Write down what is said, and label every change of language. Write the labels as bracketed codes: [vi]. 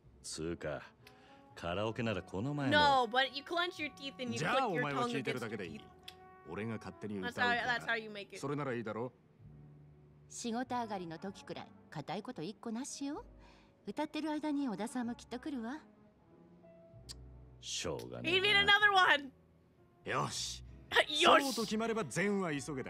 [ja] バカ。それじゃ酒飲んでんのと変わんねえだろう。つうか、カラオケならこの前。 [en] No, but you clench your teeth and you click your tongue against your teeth. [ja] 俺が勝手に歌うから。それならいいだろう。仕事上がりの時くらい固いこと一個なしよ。歌ってる間に小田さんもきっと来るわ。しょうがねえ。 [en] He need another one. [ja] よし。よし。そうと決まれば全は急げだ。